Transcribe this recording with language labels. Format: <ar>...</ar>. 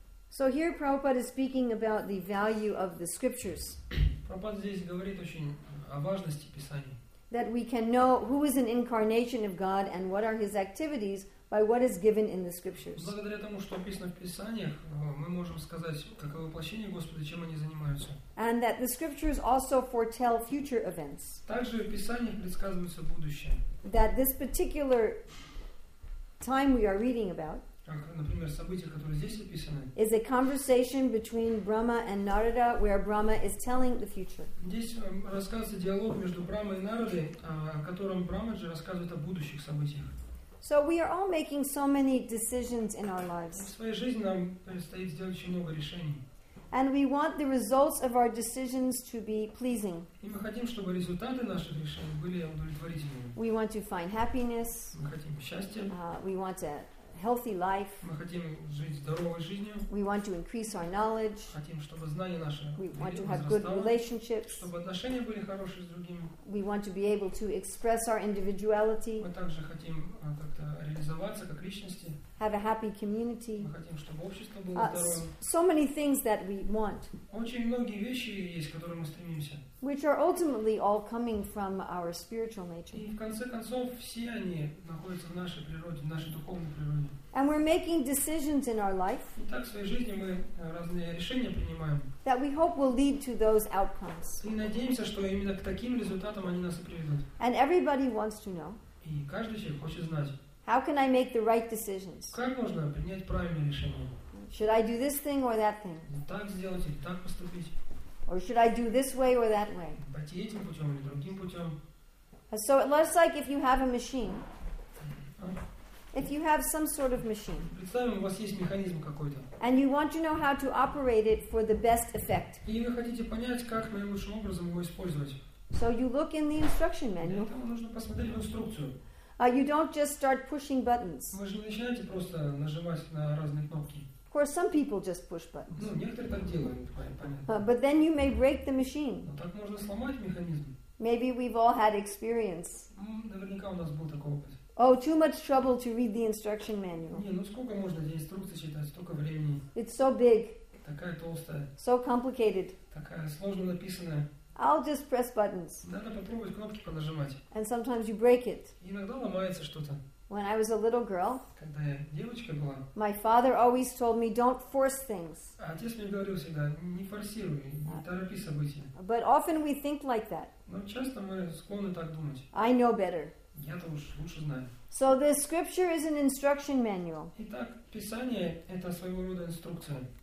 <en>So here Prabhupada is speaking about the value of the scriptures.</en> <ru>Prabhupada здесь говорит очень о важности Писания.</ru> <en>That we can know who is an incarnation of God and what are his activities by what is given in the scriptures.</en> <ru>Благодаря тому, что описано в Писаниях, мы можем сказать, каково воплощение Господа, чем они занимаются.</ru> <en>And that the scriptures also foretell future events.</en> <ru>Также в Писаниях предсказывается будущее.</ru> <en>That this particular time we are reading about,</en> <ru>как, например, события, которые здесь описаны,</ru> <en>is a conversation between Brahma and Narada, where Brahma is telling the future.</en> <ru>Здесь рассказывается диалог между Брахмой и Нарадой, о котором Брахмаджи рассказывает о будущих событиях.</ru> <en>So we are all making so many decisions in our lives.</en> <ru>В своей жизни нам предстоит сделать очень много решений.</ru> <en>And we want the results of our decisions to be pleasing.</en> <ru>И мы хотим, чтобы результаты наших решений были удовлетворительными.</ru> <en>We want to find happiness.</en> <ru>Мы хотим счастья.</ru> <en>We want a healthy life.</en> <ru>Мы хотим жить здоровой жизнью.</ru> <en>We want to increase our knowledge.</en> <ru>Хотим, чтобы знания наши возрастали.</ru> <en>We want to have good relationships.</en> <ru>Чтобы отношения были хорошие с другими.</ru> <en>We want to be able to express our individuality.</en> <ru>Мы также хотим как-то реализоваться как личности.</ru> <en>Have a happy community.</en> <ru>Мы хотим, чтобы общество было здоровым.</ru> <en>So many things that we want.</en> <ru>Очень многие вещи есть, к которым мы стремимся.</ru> <en>Which are ultimately all coming from our spiritual nature.</en> <ru>И в конце концов все они находятся в нашей природе, в нашей духовной природе.</ru> <en>And we're making decisions in our life.</en> <ru>И так в своей жизни мы разные решения принимаем.</ru> <en>That we hope will lead to those outcomes.</en> <ru>И надеемся, что именно к таким результатам они нас и приведут.</ru> <en>And everybody wants to know.</en> <ru>И каждый человек хочет знать.</ru> <en>How can I make the right decisions?</en> <ru>Как можно принять правильное решение?</ru> <en>Should I do this thing or that thing?</en> <ru>Так сделать или так поступить?</ru> <en>Or should I do this way or that way?</en> <ru>Пойти этим путем или другим путем?</ru> <en>So it looks like if you have a machine. If you have some sort of machine.</en> <ru>Представим, у вас есть механизм какой-то.</ru> <en>And you want to know how to operate it for the best effect.</en> <ru>И вы хотите понять, как наилучшим образом его использовать.</ru> <en>So you look in the instruction manual.</en> <ru>Для этого нужно посмотреть в инструкцию.</ru> <en>You don't just start pushing buttons.</en> <ru>Вы же не начинаете просто нажимать на разные кнопки.</ru> <en>Of course, some people just push buttons.</en> <ru>Ну, некоторые так делают, понятно.</ru> <en>But then you may break the machine.</en> <ru>Но так можно сломать механизм.</ru> <en>Maybe we've all had experience.</en> <ru>Наверняка у нас был такой опыт.</ru> <en>Oh, too much trouble to read the instruction manual.</en> <ru>Не, ну сколько можно эти инструкции читать, столько времени.</ru> <en>It's so big.</en> <ru>Такая толстая.</ru> <en>So complicated.</en> <ru>Такая сложно написанная.</ru> <en>I'll just press buttons.</en> <ru>Надо попробовать кнопки понажимать.</ru> <en>And sometimes you break it.</en> <ru>Иногда ломается что-то.</ru> <en>When I was a little girl,</en> <ru>когда я девочка была,</ru> <en>my father always told me, don't force things.</en> <ru>Отец мне говорил всегда, не форсируй, не торопи события.</ru> <en>But often we think like that.</en> <ru>Но часто мы склонны так думать.</ru> <en>I know better.</en> <ru>Я-то уж лучше знаю.</ru> <en>So the scripture is an instruction manual.</en> <ru>Итак, Писание — это своего рода инструкция.</ru>